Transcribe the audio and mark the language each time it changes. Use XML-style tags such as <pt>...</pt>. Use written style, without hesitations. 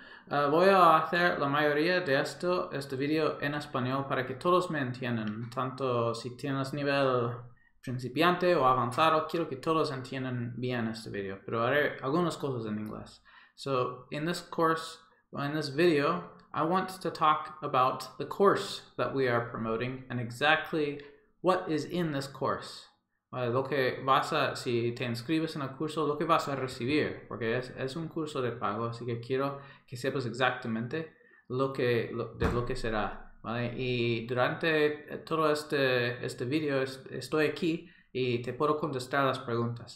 <es>voy a hacer la mayoría de esto este video en español para que todos me entiendan. Tanto si tienes nivel principiante o avanzado, quiero que todos entiendan bien este video. Pero haré algunas cosas en inglés.</es> <en>So in this course, well, in this video, I want to talk about the course that we are promoting and exactly what is in this course.</en> <es>Lo que vas a, si te inscribes en el curso, lo que vas a recibir, porque es un curso de pago, así que quiero que sepas exactamente lo que será. ¿Vale? Y durante todo este video estoy aquí y te puedo contestar las preguntas.</es>